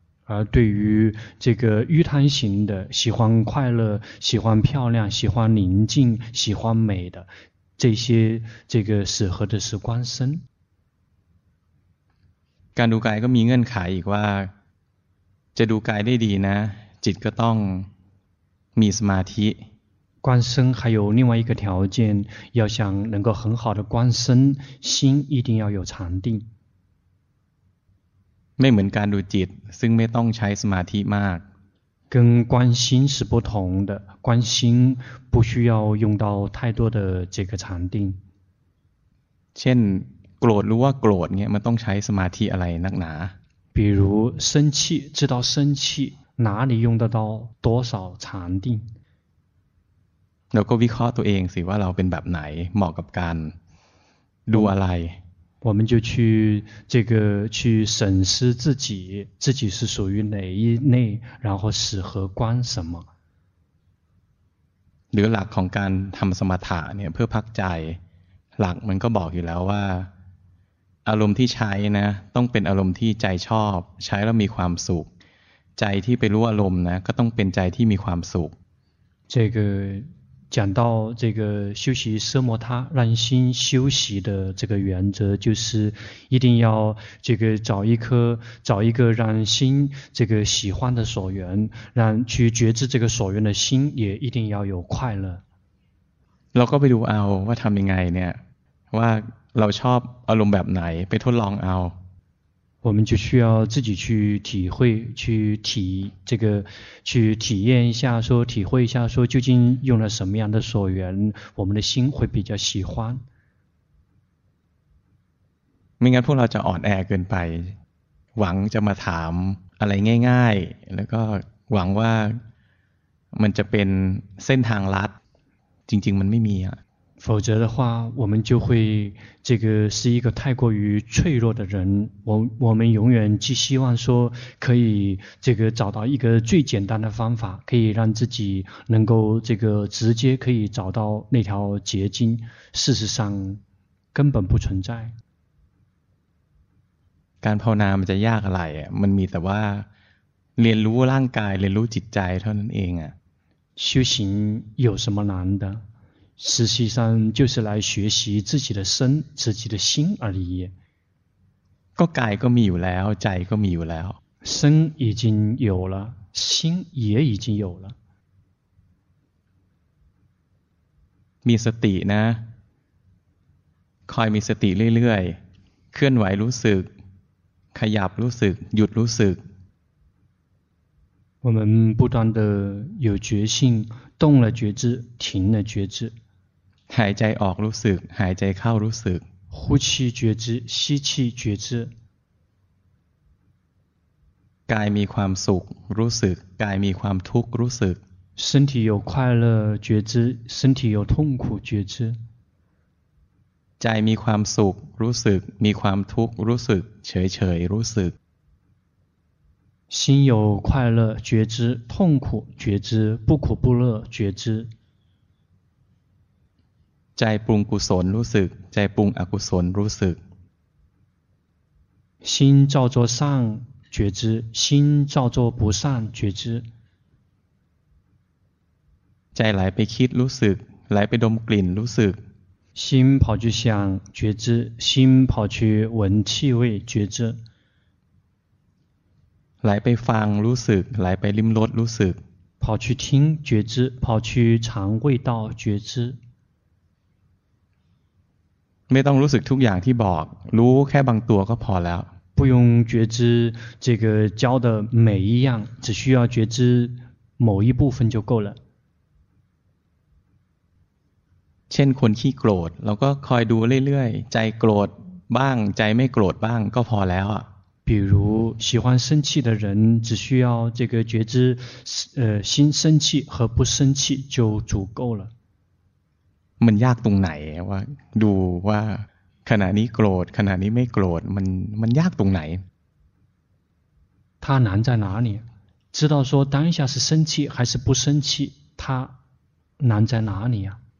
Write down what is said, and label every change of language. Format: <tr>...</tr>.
<zh>而对于这个欲贪型的喜欢快乐喜欢漂亮喜欢宁静喜欢美的这些这个适合的是观身</zh> <th>การดูกายก็มีเงื่อนไขอีกว่าจะดูกายได้ดีนะจิตก็ต้องมีสมาธิ</th> <zh>观身还有另外一个条件要想能够很好的观身心一定要有禅定</zh> <th>ไม่เหมือนการดูจิตซึ่งไม่ต้องใช้สมาธิมาก</th> <zh>跟观心是不同的观心不需要用到太多的这个禅定</zh> <th>เช่นโกรธรู้ว่าโกรธเนี่ยมันต้องใช้สมาธิอะไรนักหนา</th> <zh>比如生气知道生气哪里用得到多少禅定</zh> <th>เราก็วิเคราะห์ตัวเองสิว่าเราเป็นแบบไหนเหมาะกับการดูอะไร</th> <zh>我们就去这个去审视自己，自己是属于哪一类，然后适合观什么。</zh> <th>หรือหลักของการทำสมถะเนี่ยเพื่อพักใจหลักมันก็บอกอยู่แล้วว่าอารมณ์ที่ใช้นะต้องเป็นอารมณ์ที่ใจชอบใช้แล้วมีความสุขใจที่ไปรู้อารมณ์นะก็ต้องเป็นใจที่มีความสุข</th> <zh>这个讲到这个修习奢摩他让心休息的这个原则就是一定要这个找一个让心这个喜欢的所缘让去觉知这个所缘的心也一定要有快乐</zh> <th>เราก็ไปดูเอาว่าทำยังไงเนี่ยว่าเราชอบอารมณ์แบบไหนไปทดลองเอา</th> <zh>我们就需要自己去体会去体这个去体验一下说体会一下说究竟用了什么样的所缘我们的心会比较喜欢</zh> <th>ไม่งั้นพวกเราจะอ่อนแอเกินไปหวังจะมาถามอะไรง่ายๆแล้วก็หวังว่ามันจะเป็นเส้นทางลัดจริงๆมันไม่มีอ่ะ</th> <zh>否则的话我们就会这个是一个太过于脆弱的人 我们永远寄希望说可以这个找到一个最简单的方法可以让自己能够这个直接可以找到那条捷径事实上根本不存在</zh> <th>การภาวนามันจะยากอะไรมันมีแต่ว่าเรียนรู้ร่างกายเรียนรู้จิตใจเท่านั้นเองอ่ะ</th> <zh>修行有什么难的实际上就是来学习自己的身自己的心而已</zh> <th>ก็กายก็มีอยู่แล้วใจก็มีอยู่แล้ว</th> <zh>身已经有了心也已经有了</zh> <th>มีสตินะคอยมีสติเรื่อยๆเคลื่อนไหวรู้สึกขยับรู้สึกหยุดรู้สึก</th> <zh>我们不断的有觉性动了觉知停了觉知</zh> <th>หายใจออกรู้สึกหายใจเข้ารู้สึก</th> <zh>呼气觉知吸气觉知</zh> <th>กายมีความสุขรู้สึกกายมีความทุกข์รู้สึก</th> <zh>身体有快乐觉知身体有痛苦觉知</zh> <th>ใจมีความสุขรู้สึกมีความทุกข์รู้สึกเฉยเฉยรู้สึก</th> <zh>心有快乐觉知痛苦觉知不苦不乐觉知</zh> <th>在ปรุงกุศลรู้สึกใจปรุงอกุศลรู้สึก</th> <zh>心照着善觉知心照着不善觉知</zh> <th>ใจไหลไปคิดรู้สึกไหลไปดมกลิ่นรู้สึก</th> <zh>心跑去想觉知心跑去闻气味觉知</zh> <th>ไหลไปฟังรู้สึกไหลไปลิ้มรสรู้สึก</th> <zh>跑去听觉知跑去尝味道觉知</zh> <th>ไม่ต้องรู้สึกทุกอย่างที่บอกรู้แค่บางตัวก็พอแล้ว</th> <zh>不用觉知这个教的每一样只需要觉知某一部分就够了</zh> <th>เช่นคนขี้โกรธเราก็คอยดูเรื่อยๆใจโกรธบ้างใจไม่โกรธบ้างก็พอแล้วอ่ะ</th> <zh>比如喜欢生气的人只需要这个觉知心生气和不生气就足够了</zh> <th>มันยากตรงไหนว่าดูว่าขณะนี้โกรธขณะนี้ไม่โกรธมันยากตรงไหน</th> <zh>它难在哪里知道说当下是生气还是不生气它难在哪里啊</zh>